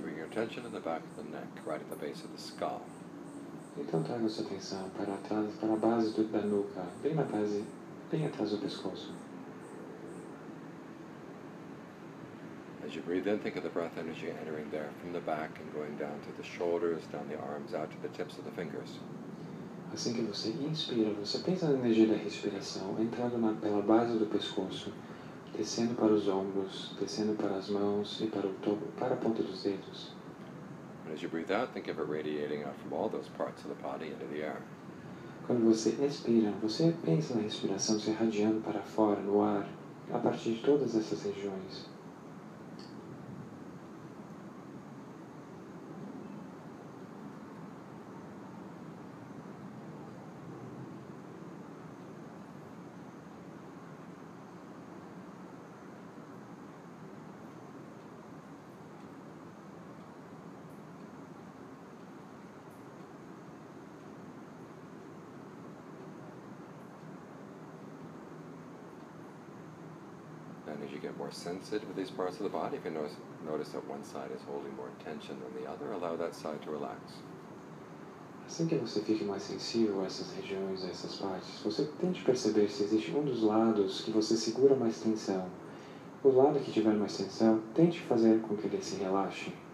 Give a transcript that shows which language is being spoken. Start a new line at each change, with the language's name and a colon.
English: Attention in the back of the neck, right at the base of the skull.
Portuguese: Então traga sua atenção para trás, para a base da nuca, bem na base, bem atrás do pescoço.
English: As you breathe in, think of the breath energy entering there from the back and going down to the shoulders, down the arms, out to the tips of the fingers.
Portuguese: Assim que você inspira, você pensa na energia da respiração entrando pela base do pescoço, descendo para os ombros, descendo para as mãos e para o topo, para a ponta dos dedos.
English: As you breathe out, think of it radiating out from all those parts of the body into the air.
Portuguese: Quando você expira, você pensa na respiração se irradiando para fora, no ar, a partir de todas essas regiões.
English: As you get more sensitive to these parts of the body, if you notice that one side is holding more tension than the other, allow that side to relax.
Portuguese: Assim que você fique mais sensível a essas regiões, a essas partes, você tente perceber se existe um dos lados que você segura mais tensão. O lado que tiver mais tensão, tente fazer com que ele se relaxe.